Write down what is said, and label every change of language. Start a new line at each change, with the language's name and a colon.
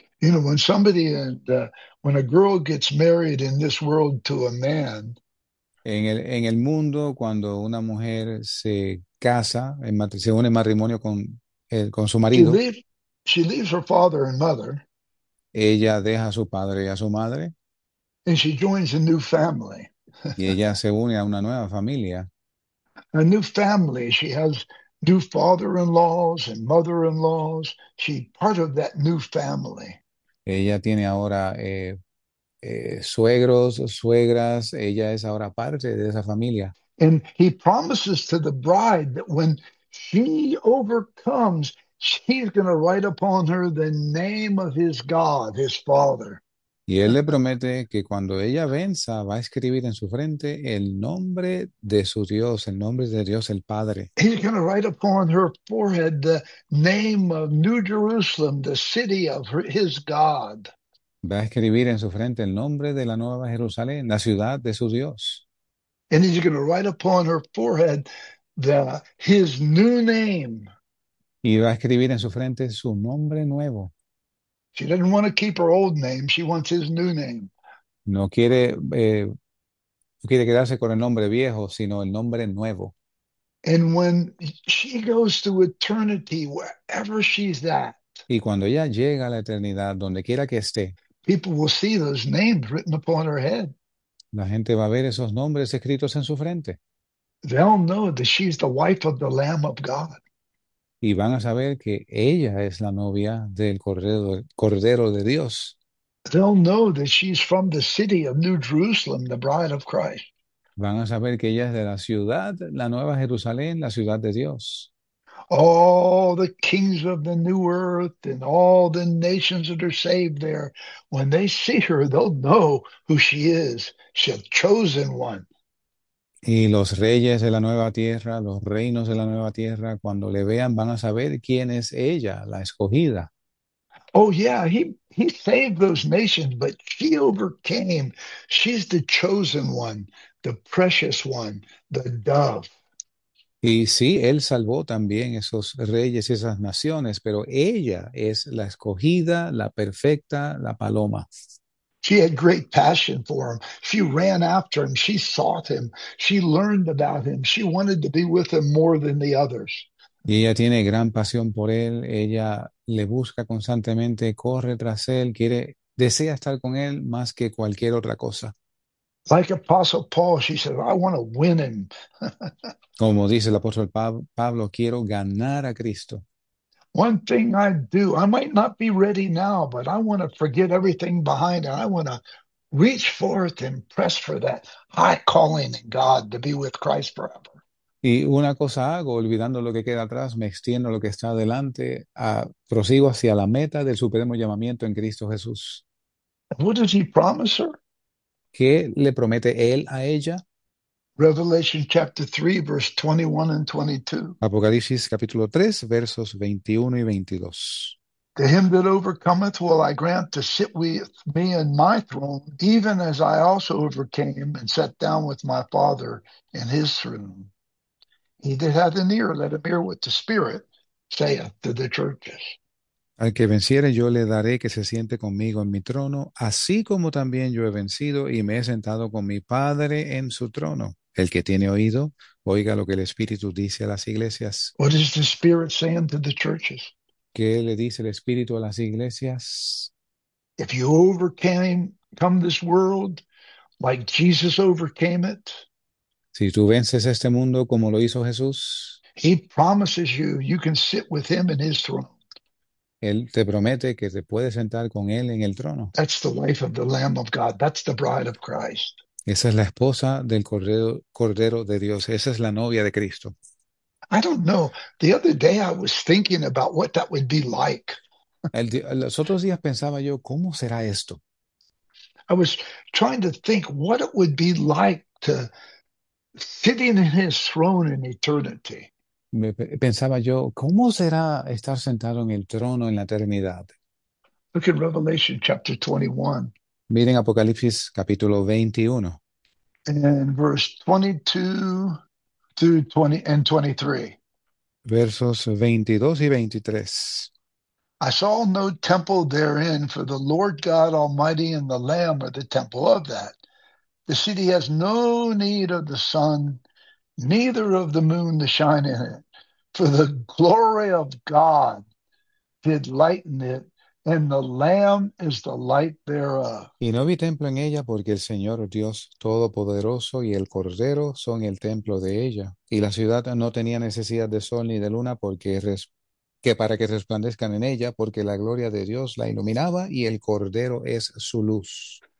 English: When somebody and when a girl gets married in this world to a man,
Spanish: En el mundo, cuando una mujer se casa, se une en matrimonio con su marido,
English: she leaves her father and mother,
Spanish: ella deja a su padre y a su madre
English: and she joins a new family.
Spanish: y ella se une a una nueva familia.
English: A new family. She has new father-in-laws and mother-in-laws. She's part of that new family.
Spanish: Ella tiene ahora suegros, suegras, ella es ahora parte de esa familia.
English: And he promises to the bride that when she overcomes, he's going to write upon her the name of his God, his father.
Spanish: Y él le promete que cuando ella venza, va a escribir en su frente el nombre de su Dios, el nombre de Dios el Padre.
English: He's going to write upon her forehead the name of New Jerusalem, the city of his God.
Spanish: Va a escribir en su frente el nombre de la Nueva Jerusalén, la ciudad de su Dios.
English: And he's going to write upon her forehead his new name.
Spanish: Y va a escribir en su frente su nombre nuevo.
English: She doesn't want to keep her old name. She wants his new name.
Spanish: No quiere, quiere quedarse con el nombre viejo, sino el nombre nuevo.
English: And when she goes to eternity, wherever she's at,
Spanish: Y cuando ella llega a la eternidad, donde quiera que esté,
English: people will see those names written upon her head.
Spanish: la gente va a ver esos nombres escritos en su frente.
English: They'll know that she's the wife of the Lamb of God.
Spanish: Y van a saber que ella es la novia del Cordero de Dios.
English: They'll know that she's from the city of New Jerusalem, the bride of Christ.
Spanish: Van a saber que ella es de la ciudad, la Nueva Jerusalén, la ciudad de Dios.
English: All the kings of the new earth and all the nations that are saved there, when they see her, they'll know who she is. She's a chosen one.
Spanish: Y los reyes de la nueva tierra, los reinos de la nueva tierra, cuando le vean, van a saber quién es ella, la escogida.
English: Oh yeah, he saved those nations, but she overcame. She's the chosen one, the precious one, the dove.
Spanish: Y sí, él salvó también esos reyes y esas naciones, pero ella es la escogida, la perfecta, la paloma.
English: She had great passion for him. She ran after him. She sought him. She learned about him. She wanted to be with him more than the others.
Spanish: Y ella tiene gran pasión por él, ella le busca constantemente, corre tras él, quiere, desea estar con él más que cualquier otra cosa.
English: Like Apostle Paul, she said, I want to win him.
Spanish: Como dice el apóstol Pablo, quiero ganar a Cristo.
English: One thing I do, I might not be ready now, but I want to forget everything behind and I want to reach forth and press for that high calling in God to be with Christ forever.
Spanish: Y una cosa hago, olvidando lo que queda atrás, me extiendo lo que está adelante, prosigo hacia la meta del supremo llamamiento en Cristo Jesús.
English: What does he promise her?
Spanish: ¿Qué le promete él a ella?
English: Revelation chapter 3, verse 21 and 22.
Spanish: Apocalipsis capítulo 3, versos 21 y 22.
English: To him that overcometh will I grant to sit with me in my throne, even as I also overcame and sat down with my Father in his throne. He that hath an ear, let him hear what the Spirit saith to the churches.
Spanish: Al que venciere, yo le daré que se siente conmigo en mi trono, así como también yo he vencido y me he sentado con mi Padre en su trono. El que tiene oído, oiga lo que el Espíritu dice a las iglesias.
English: What is the Spirit saying to the churches?
Spanish: ¿Qué le dice el Espíritu a las iglesias?
English: If you overcame come this world like Jesus overcame it,
Spanish: Si tú vences este mundo como lo hizo Jesús,
English: he promises you you can sit with him in his throne.
Spanish: Él te promete que te puedes sentar con él en el trono.
English: That's the wife of the Lamb of God. That's the bride of Christ.
Spanish: Esa es la esposa del Cordero de Dios. Esa es la novia de Cristo.
English: I don't know. The other day I was thinking about what that would be like.
Spanish: Los otros días pensaba yo, ¿cómo será esto?
English: I was trying to think what it would be like to sitting in his throne in eternity.
Spanish: Pensaba yo, ¿cómo será estar sentado en el trono en la eternidad?
English: Look at Revelation chapter 21
Spanish: Miren Apocalipsis capítulo 21.
English: and verse 22 through 20 and 23.
Spanish: Versos 22 y 23.
English: I saw no temple therein, for the Lord God Almighty and the Lamb are the temple of that. The city has no need of the sun, neither of the moon to shine in it, for the glory of God did lighten it, and the Lamb is the light thereof.
Spanish: Y no vi templo en ella porque el Señor Dios Todopoderoso y el Cordero son el templo de ella. Y la ciudad no tenía necesidad de sol ni de luna para que resplandezcan en ella, porque la gloria de Dios la iluminaba y el Cordero es su luz.